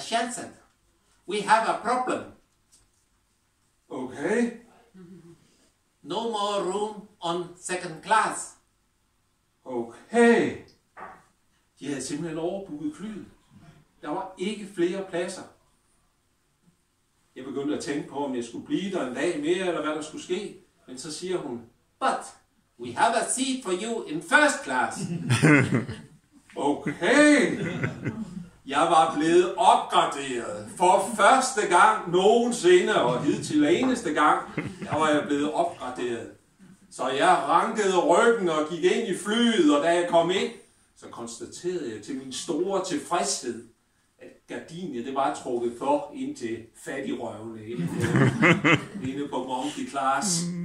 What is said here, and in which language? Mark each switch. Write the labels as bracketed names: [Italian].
[English] Jensen, we have a problem. Okay. No more room on second class. Okay. [Danish] De havde simpelthen overbooket flyet. Der var ikke flere pladser. Jeg begyndte at tænke på, om jeg skulle blive der en dag mere, eller hvad der skulle ske. Men så siger hun, [English] but we have a seat for you in first class. Okay. [Danish] Jeg var blevet opgraderet for første gang nogensinde, og hidtil eneste gang, der var jeg blevet opgraderet. Så jeg rankede ryggen og gik ind i flyet, og da jeg kom ind, så konstaterede jeg til min store tilfredshed, at gardinet det var trukket for ind til fattigrøvene inde på Monkey Class.